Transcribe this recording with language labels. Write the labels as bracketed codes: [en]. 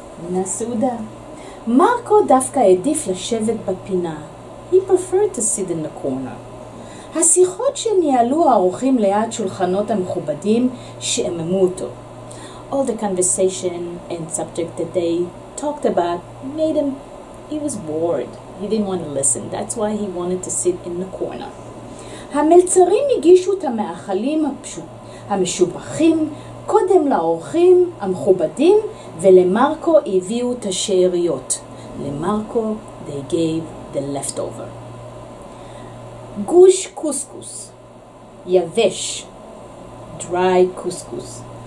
[he] נסעודה. מרקו דווקא עדיף לשבת בפינה. [en] He preferred to sit in the corner. [he] השיחות שניהלו האורחים ליד שולחנות המכובדים שעממו אותו. [en] All the conversation and subject that they talked about made him, he was bored. He didn't want to listen. That's why he wanted to sit in the corner. [he] המלצרים הגישו את המאכלים המשובחים קודם לאורחים המכובדים, ולמרקו הביאו את השאריות. למרקו [en] they gave the leftover. [he] גוש קוסקוס, יבש, [en] dry [he] קוסקוס.